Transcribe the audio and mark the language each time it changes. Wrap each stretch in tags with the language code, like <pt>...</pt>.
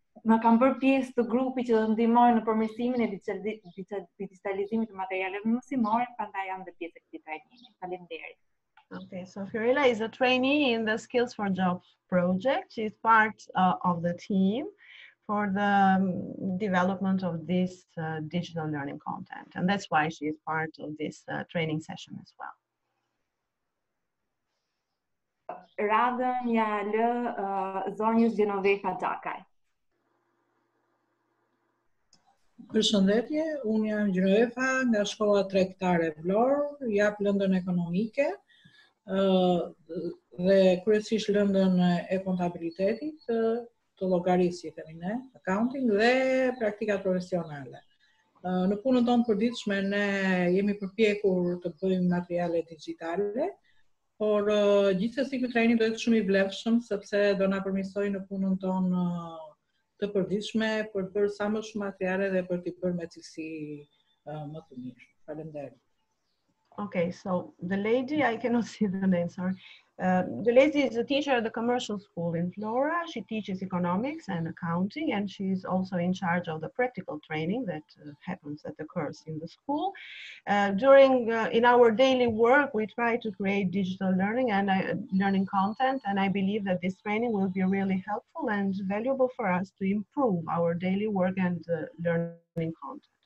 <sq>Më kam bërë pjesë të grupit që ndihmon në përmirësimin e digitalizimit të materialeve mësimore, prandaj jam dhe pjesë e këtij trajnimi. Faleminderit.</sq> <en>Okay, so Fiorella is a trainee in the Skills4jobs project. She's part of the team for the development of this digital learning content. And that's why she is part of this training session as well.</en> <sq>Radhën ja lë zonjës Gjenovefa Gjakaj. Përshëndetje, unë jam Gjenovefa nga shkolla tregtare Vlorë, jap lëndën ekonomike dhe kryesisht lëndën e kontabilitetit, të llogarisë, që themi ne, accounting, dhe praktikat profesionale. Në punën tonë përditshme, ne jemi përpjekur të bëjmë materiale digitale, por gjithsesi ky trajnim do jetë shumë I vlefshëm, sepse do na përmirësoj në punën tonë të përditshme për të bërë sa më shumë materiale dhe për t'i bërë me cilësi më të mirë. Faleminderit.</sq> <en>Okay, so the lady, I cannot see the name, sorry. The lady is a teacher at the commercial school in Flora. She teaches economics and accounting, and she is also in charge of the practical training that happens at the course in the school. In our daily work, we try to create digital learning and learning content, and I believe that this training will be really helpful and valuable for us to improve our daily work and learning content.</en>